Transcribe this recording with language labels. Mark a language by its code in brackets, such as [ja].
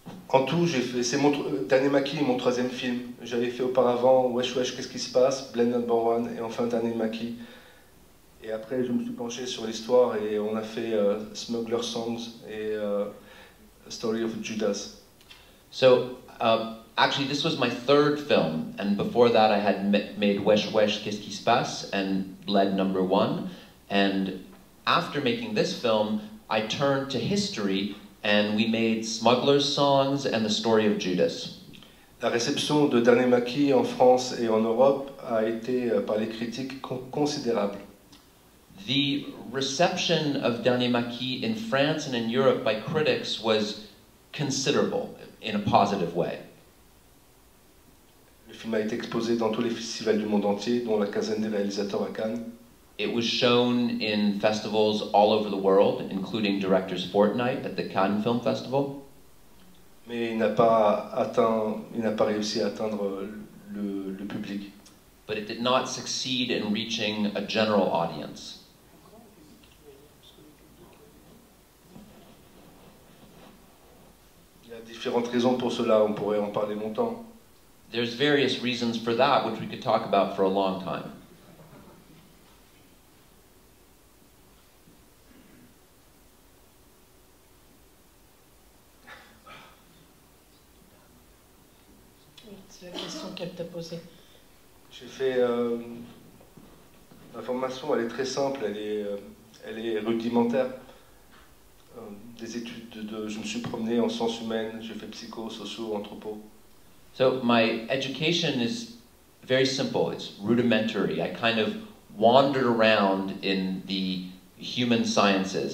[fr] En tout, j'ai fait, c'est mon dernier maquis, mon troisième film. J'avais fait auparavant Wesh Wesh, Qu'est-ce qui se passe, Blend Number One, et enfin Dernier maquis. Et après, je me suis penché sur l'histoire et on a fait Smuggler Songs et A Story of Judas. [en] So, actually, this was my third film. And before that, I had made Wesh Wesh, Qu'est-ce qui se passe? And led number one. And after making this film, I turned to history and we made Smuggler Songs and The Story of Judas. [fr] La réception de Dernier Maquis en France et en Europe a été, par les critiques, considérable. [en] The reception of Dernier Maquis in France and in Europe by critics was considerable, in a positive way. [fr] Le film a été exposé dans tous les festivals du monde entier, dont la quinzaine des réalisateurs à Cannes. [en] It was shown in festivals all over the world, including Director's Fortnight at the Cannes Film Festival. [fr] Mais il n'a pas réussi à atteindre le public. [en] But it did not succeed in reaching a general audience. [fr] Il y a différentes raisons pour cela, on pourrait en parler longtemps. [en] There's various reasons for that, which we could talk about for a long time. [fr] J'ai fait ma formation, elle est très simple, elle est rudimentaire. Des études je me suis promené en sciences humaines, j'ai fait psycho, socio, anthropo. [en] So my education is very simple, it's rudimentary. I kind of wandered around in the human sciences.